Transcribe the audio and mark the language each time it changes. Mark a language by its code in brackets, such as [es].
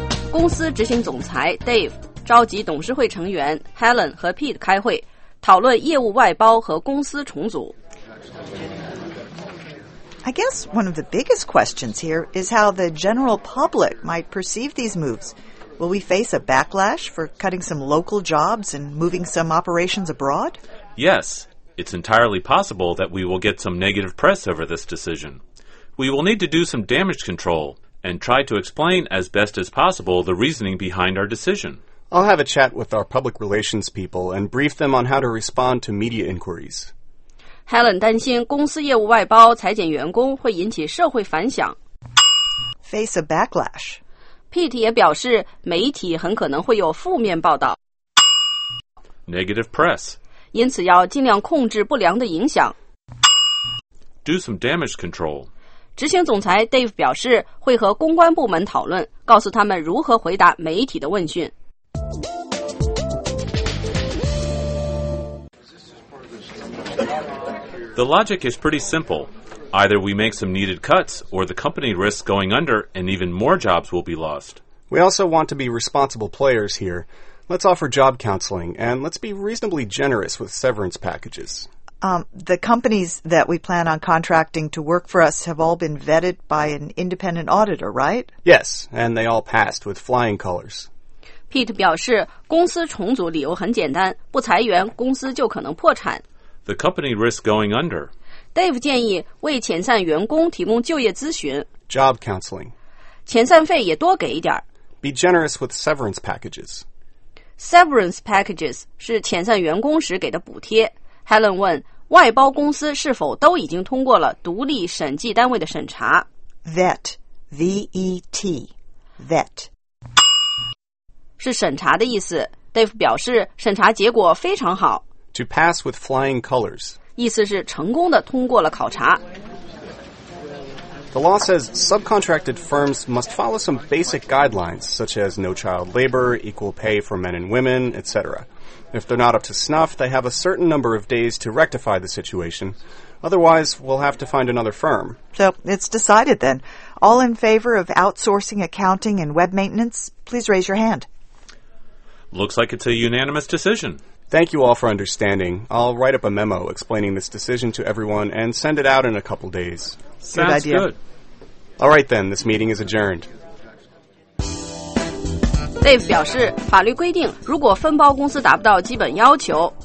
[zh] 公司执行总裁 Dave 召集董事会成员 Helen 和 Pete 开会，讨论业务外包和公司重组。 [en] I guess one of the biggest questions here is how the general public might perceive these moves. Will we face a backlash for cutting some local jobs and moving some operations abroad? Yes. It's entirely possible that we will get some negative press over this decision. We will need to do some damage control and try to explain as best as possible the reasoning behind our decision. I'll have a chat with our public relations people and brief them on how to respond to media inquiries. [zh] Helen 担心公司业务外包裁减员工会引起社会反响。 [en] Face a backlash. [zh] Pete 也表示媒体很可能会有负面报道。 [en] Negative press. [zh] 因此要尽量控制不良的影响。 [en] Do some damage control. [zh] 执行总裁 Dave 表示会和公关部门讨论，告诉他们如何回答媒体的问讯。 [en] The logic is pretty simple. Either we make some needed cuts, or the company risks going under and even more jobs will be lost. We also want to be responsible players here. Let's offer job counseling, and let's be reasonably generous with severance packages. The companies that we plan on contracting to work for us have all been vetted by an independent auditor, right? Yes, and they all passed with flying colors. [zh] Pete 表示公司重组理由很简单，不裁员，公司就可能破产。 [en] The company risks going under. [zh] Dave 建议为遣散员工提供就业咨询。 [en] Job counseling. [zh] 遣散费也多给一点。 [en] Be generous with severance packages. Severance packages [zh] 是遣散员工时给的补贴。 Helen 问，外包公司是否都已经通过了独立审计单位的审查 [en] ？Vet, V-E-T, vet [zh] 是审查的意思。 Dave 表示，审查结果非常好。 [en] To pass with flying colors [zh] 意思是成功的通过了考察。 [en] The law says subcontracted firms must follow some basic guidelines, such as no child labor, equal pay for men and women, etc. If they're not up to snuff, they have a certain number of days to rectify the situation. Otherwise, we'll have to find another firm. So, it's decided then. All in favor of outsourcing accounting and web maintenance, please raise your hand. Looks like it's a unanimous decision. Thank you all for understanding. I'll write up a memo explaining this decision to everyone and send it out in a couple days. Sounds good. All right then, this meeting is adjourned. [zh] Dave 表示，法律规定，如果分包公司达不到基本要求